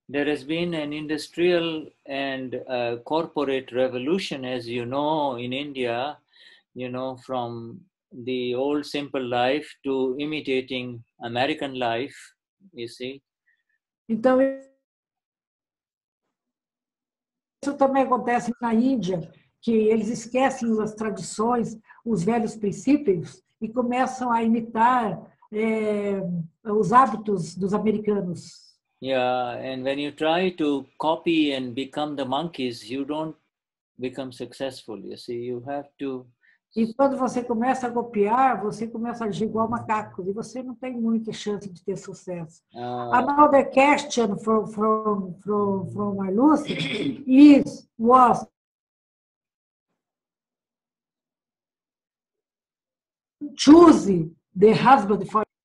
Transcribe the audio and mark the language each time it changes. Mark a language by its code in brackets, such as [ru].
[en] There has been an industrial and corporate revolution, as you know, in India, you know, from the old simple life to imitating American life, you see. [pt] Então isso também acontece na Índia, que eles esquecem as tradições, os velhos princípios e começam a imitar os hábitos dos americanos. [en] Yeah, and when you try to copy and become the monkeys, you don't become successful. You see, you have to. [pt] E quando você começa a copiar, você começa a agir igual macacos e você não tem muita chance de ter sucesso. [en] Another question from Marluce was choose the husband for